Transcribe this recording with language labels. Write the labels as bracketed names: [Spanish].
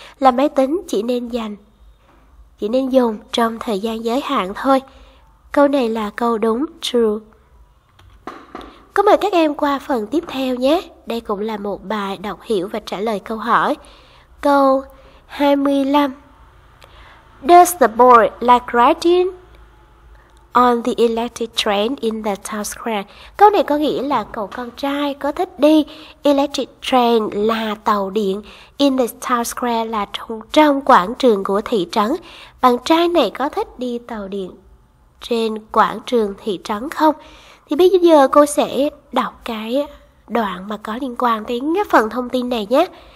[Vietnamese] Là máy tính chỉ nên dùng trong thời gian giới hạn thôi. Câu này là câu đúng, true. Có mời các em qua phần tiếp theo nhé. Đây cũng là một bài đọc hiểu và trả lời câu hỏi. Câu 25. [English] Does the boy like riding on the electric train in the town square? [Vietnamese] Câu này có nghĩa là cậu con trai có thích đi electric train là tàu điện, [English] in the town square [Vietnamese] là trong quảng trường của thị trấn. Bạn trai này có thích đi tàu điện trên quảng trường thị trấn không? Thì bây giờ cô sẽ đọc cái đoạn mà có liên quan đến cái phần thông tin này nhé.